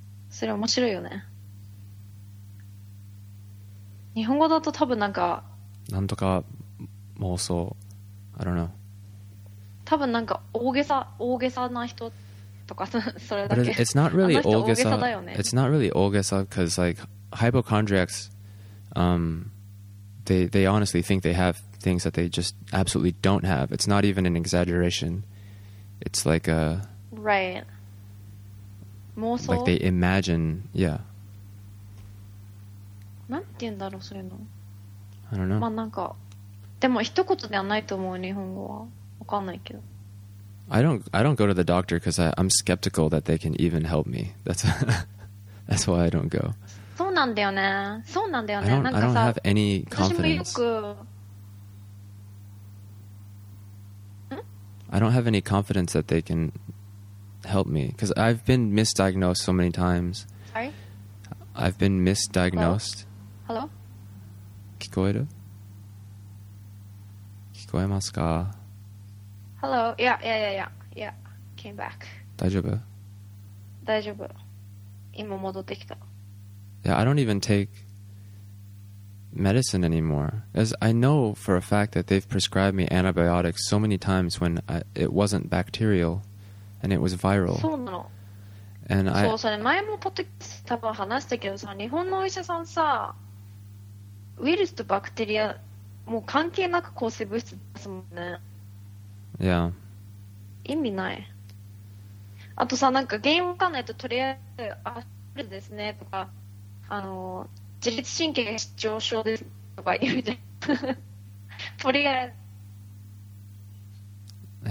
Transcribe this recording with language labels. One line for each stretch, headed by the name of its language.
Japanese: それ面白いよね。日本語だと多分なんかなんとか妄想
English: I don't know
Japanese: 多分なんか大げさな人とかそれだけ
English: It's not really
Japanese: 大げさだよね
English: It's not really 大げさ because like hypochondriacs they honestly think they have things that they just absolutely don't have It's not even an exaggeration It's like a Right 妄想 Like they imagine Yeah
Japanese: なんて言うんだろうそれの
English: I don't know
Japanese: まあなんかでも一言ではないと思う日本語はわかんないけど
English: I don't go to the doctor because I'm skeptical that they can even help me that's why I don't go
Japanese: そうなんだよねそうなんだよねなんかさ
English: I don't have any confidence
Japanese: 私もよくん?
English: I don't have any confidence that they can help me because I've been misdiagnosed so many times sorry? I've been misdiagnosed Hello?
Japanese: Hello? 聞こえる? 聞こえますか?
English: Hello? Yeah. Came back.
Japanese: 大丈夫? 大丈夫。今戻ってきた。
English: Yeah, I don't even take medicine anymore. As I know for a fact that they've prescribed me antibiotics so many times when it wasn't bacterial and it was viral.
Japanese: そうなの。
English: And
Japanese: そうそれ前もポッドキャスト多分話したけどさ、日本のお医者さんさ、ウイルスとバクテリアもう関係なく抗生物質出すもんね。
English: Yeah.
Japanese: 意味ない。あとさなんか原因わかんないととりあえずあるですねとかあの自律神経失調症ですとか言うじゃん。とりあえず。